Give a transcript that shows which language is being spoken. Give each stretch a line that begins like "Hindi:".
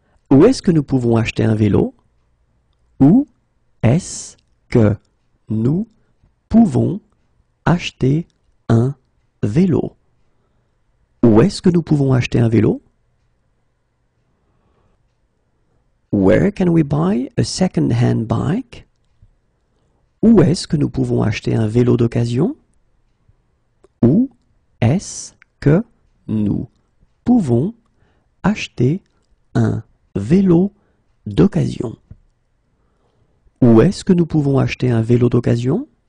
French: Où est-ce que nous pouvons acheter un vélo? Où est-ce que nous pouvons acheter un vélo? Où est-ce que nous pouvons acheter un vélo?
English: Where can we buy a second-hand bike?
French: Où est-ce que nous pouvons acheter un vélo d'occasion? Où est-ce que nous pouvons acheter un vélo d'occasion? Où est-ce que nous pouvons acheter un vélo d'occasion?